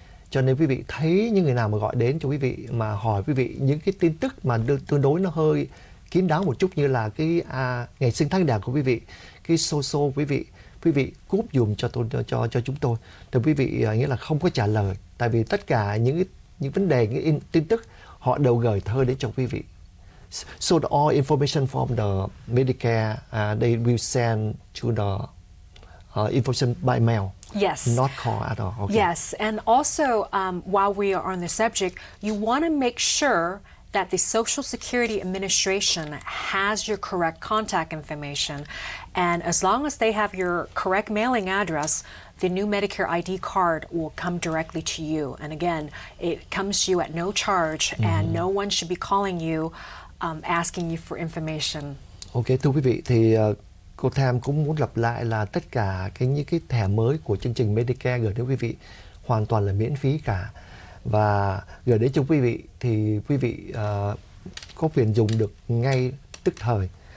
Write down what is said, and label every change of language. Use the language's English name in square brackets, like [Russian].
[Vietnamese] Cho nên quý vị thấy những người nào mà gọi đến cho quý vị mà hỏi quý vị những cái tin tức mà tương đối nó hơi kín đáo một chút, như là cái ngày sinh tháng đẻ của quý vị, cái social quý vị cúp dùm cho chúng tôi, thì quý vị nghĩa là không có trả lời. Tại vì tất cả những vấn đề, những tin tức họ đều gửi thơ đến cho quý vị. [English] So the all information from the Medicare, they will send to the information by mail. Yes. Not call at all. Okay. Yes. And also, while we are on the subject, you want to make sure that the Social Security Administration has your correct contact information. And as long as they have your correct mailing address, the new Medicare ID card will come directly to you. And again, it comes to you at no charge, mm-hmm. and no one should be calling you asking you for information. [Vietnamese] Okay, thưa quý vị, thì cô Tam cũng muốn lặp lại là tất cả những cái thẻ mới của chương trình Medicare gửi đến quý vị hoàn toàn là miễn phí cả. Và gửi đến cho quý vị thì quý vị có quyền dùng được ngay tức thời.